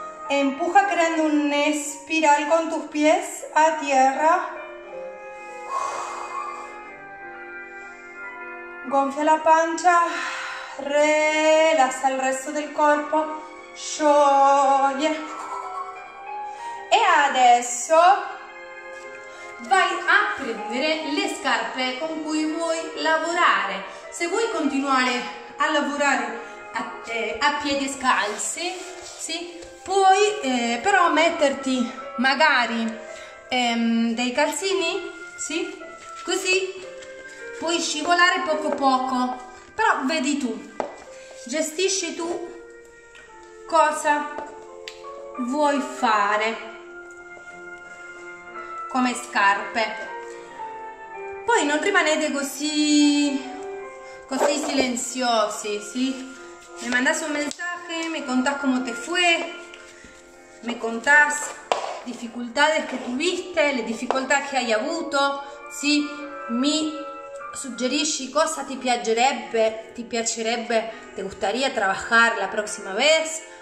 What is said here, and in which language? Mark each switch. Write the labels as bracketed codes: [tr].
[es] Empuja creando un espiral con tus pies a tierra. [it] Gonfia la pancia. [es] Relaza el resto del cuerpo. [it] Scioglie. E adesso vai a prendere le scarpe con cui vuoi lavorare. Se vuoi continuare a lavorare a piedi scalzi, sì? Puoi però metterti magari dei calzini, sì? Così puoi scivolare poco poco, però vedi tu, gestisci tu cosa vuoi fare come scarpe. Poi non rimanete così, così silenziosi, sì? [es] Mi mandas un mensaje, mi contas come te fue. Me contás dificultades que tuviste, [it] le difficoltà che hai avuto, [es] sì, [it] mi suggerisci cosa ti piacerebbe, [es] te gustaría trabajar la próxima vez.